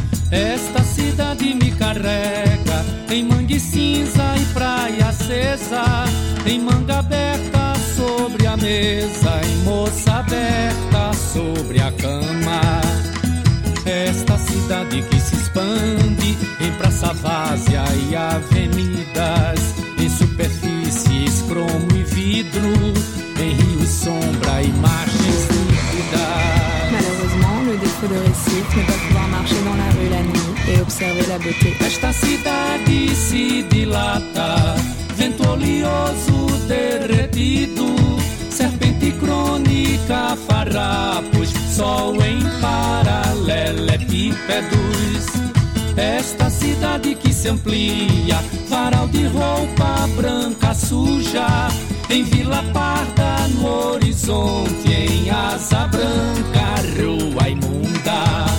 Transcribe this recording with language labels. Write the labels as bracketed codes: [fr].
[pt] Esta cidade me carrega em mangue cinza e praia acesa, em manga aberta sobre a mesa, em moça aberta sobre a cama. Esta cidade que se expande em praça vazia e avenidas, em superfícies cromo e vidro, em rio e sombra e margens líquidas. [fr] Découvrir le site, ne pas pouvoir marcher dans la rue la nuit et observer la beauté. [pt] Esta cidade se dilata, vento oleoso derretido, serpente crônica, farrapos, sol em paralelepípedos. Esta cidade que se amplia, varal de roupa branca suja, em vila parda no horizonte, em asa branca, rua imunda.